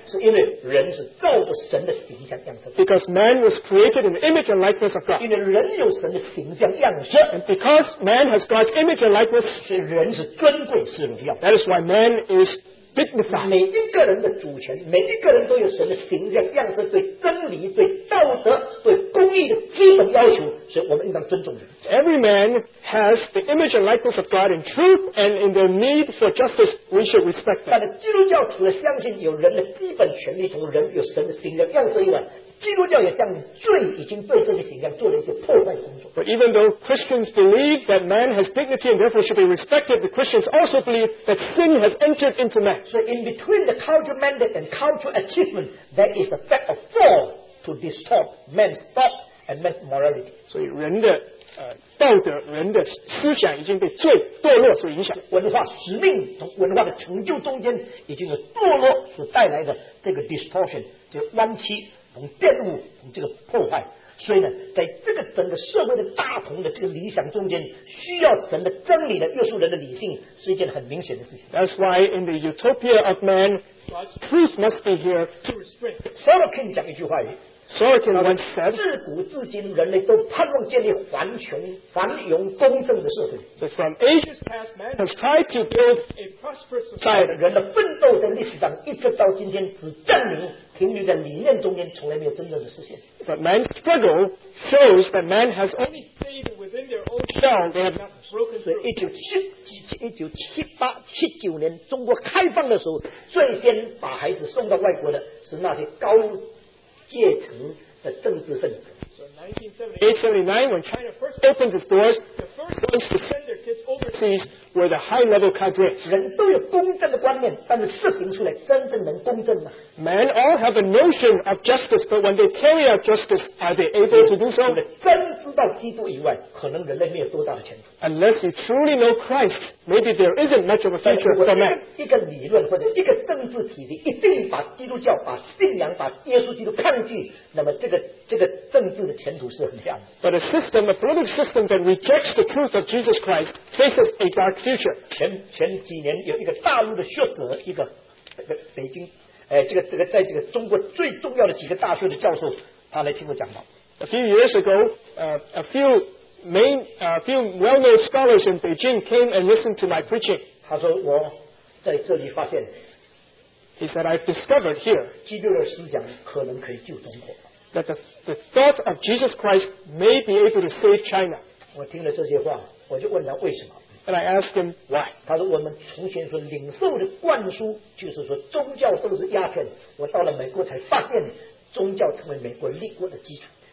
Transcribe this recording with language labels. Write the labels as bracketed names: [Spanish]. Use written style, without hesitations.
[Chinese] 是因为人是照着神的形象样式。 [English] Because man was created in the image and likeness of God. [Chinese] 因为人有神的形象样式。 [English] And because man has God's image and likeness, [Chinese] 是人是尊贵是荣耀。 [English] That is why man is dignified. [Chinese] 每一个人的主权，每一个人都有神的形象样式，对真理、对道德、对公义的基本要求，所以我们应当尊重人。 [English] Every man has the image and likeness of God in truth and in their need for justice. We should respect that. [Chinese] 但是基督教除了相信有人的基本权利，从人有神的形象样式以外，基督教也相信罪已经对这些形象做了一些破坏工作。 [English] But even though Christians believe that man has dignity and therefore should be respected, the Christians also believe that sin has entered into man. So in between the cultural mandate and cultural achievement, there is the fact of fall to disturb man's thought and man's morality. [Chinese] 所以人的道德人的思想已经被罪堕落所影响，文化使命从文化的成就中间已经有堕落所带来的这个 distortion 这个弯曲从玷污从这个破坏，所以呢在这个整个社会的大同的这个理想中间需要神的真理的约束人的理性是一件很明显的事情。 [English] That's why in the utopia of man truth must be here to restrain. [Chinese] Sorokin 讲一句话语， [English] Sorokin once said, [Chinese] 自古至今人类都盼望建立繁荣、繁荣公正的社会。 [English] So from ages past, man has tried to build a prosperous society. [Chinese] 人的奋斗在历史上一直到今天只证明停留在理念中间，从来没有真正的实现。 [English] But man's struggle shows that man has only stayed within their own shell. They have not broken through. [Chinese] 1978-79年中国开放的时候，最先把孩子送到外国的是那些高阶层的政治分子。 [English] 1978-79, when China first opened its doors, the first ones to send their kids overseas were the high-level cadres. [Chinese] 人都有公正的观念，但是实行出来真正能公正吗？ [English] Men all have a notion of justice, but when they carry out justice, are they able to do so? [Chinese] 除了真知道基督以外，可能人类没有多大的前途。 [English] Unless you truly know Christ, maybe there isn't much of a future for man. [Chinese] 一个理论或者一个政治体系一定把基督教、把信仰、把耶稣基督抗拒，那么这个政治的前途是很亮的。 [English] But a system, a political system that rejects the truth of Jesus Christ faces a dark future. [Chinese] 前几年有一个大陆的学者，一个北京，这个在这个中国最重要的几个大学的教授，他来听我讲道。 [English] A few years ago, a few well-known scholars in Beijing came and listened to my preaching. [Chinese] 他说我在这里发现。 [English] He said I've discovered here. [Chinese] 基督的思想可能可以救中国。 [English] That the thought of Jesus Christ may be able to save China. [Chinese] 我听了这些话，我就问他为什么。 [English] And I asked him why. [Chinese] 他说我们从前所领受的灌输，就是说宗教都是鸦片。我到了美国才发现，宗教成为美国立国的基础。